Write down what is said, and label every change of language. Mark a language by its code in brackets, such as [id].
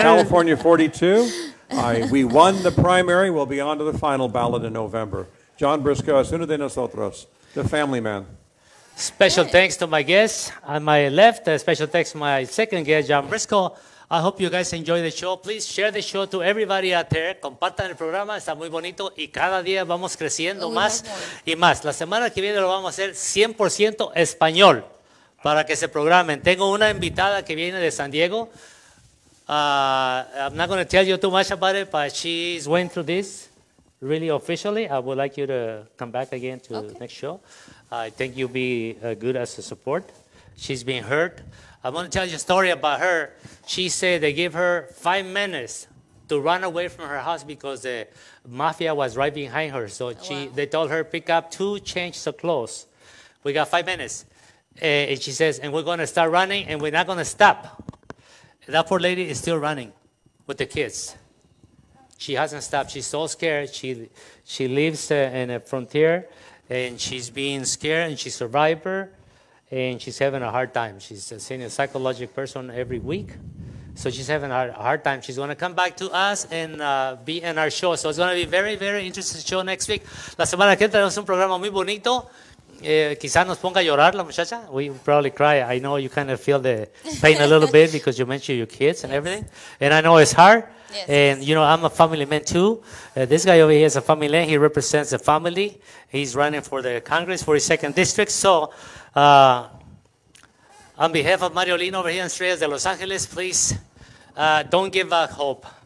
[en] California 42. We won the primary. We'll be on to the final ballot in November. John Briscoe, [es] es uno de nosotros, [en] the family man. Special thanks to my guests on my left. Special thanks to my second guest, John Briscoe. I hope you guys enjoy the show. Please share the show to everybody out there. [es] Compartan el programa. Está muy bonito. Y cada día vamos creciendo más y más. La semana que viene lo vamos a hacer 100% español para que se programen. Tengo una invitada que viene de San Diego. [en] I'm not going to tell you too much about it, but she's went through this really officially. I would like you to come back again to the next show. I think you'll be good as a support. She's been hurt. I want to tell you a story about her. She said they gave her 5 minutes to run away from her house because the mafia was right behind her. So they told her, pick up 2 changes of clothes. We got 5 minutes. And she says, and we're going to start running, and we're not going to stop. That poor lady is still running with the kids. She hasn't stopped. She's so scared. She lives in a frontier, and she's being scared, and she's a survivor, and she's having a hard time. She's seeing a psychological person every week, so she's having a hard time. She's going to come back to us and be in our show. So it's going to be a very, very interesting show next week. [es] La semana que entra es un programa muy bonito. Quizás nos ponga a llorar la muchacha. [en] We probably cry. I know you kind of feel the pain a little bit because you mentioned your kids and everything. And I know it's hard. Yes. And, you know, I'm a family man, too. This guy over here is a family man. He represents a family. He's running for the Congress for his 2nd district. So on behalf of Mario Lino over here in Estrellas de Los Angeles, please don't give up hope.